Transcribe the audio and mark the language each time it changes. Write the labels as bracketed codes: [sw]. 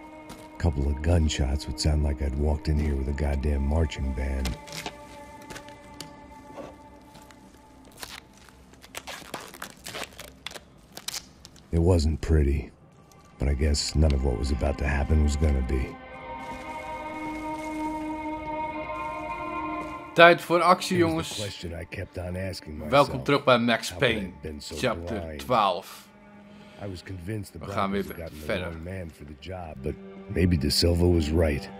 [en] A couple of gunshots would sound like I'd walked in here with a goddamn marching band. It wasn't pretty, But I guess none of what was about to happen was gonna be. [nl] Tijd voor actie, jongens. Welkom terug bij Max Payne, chapter 12. [en] I was convinced that we had gotten the wrong man for the job, but maybe De Silva was right.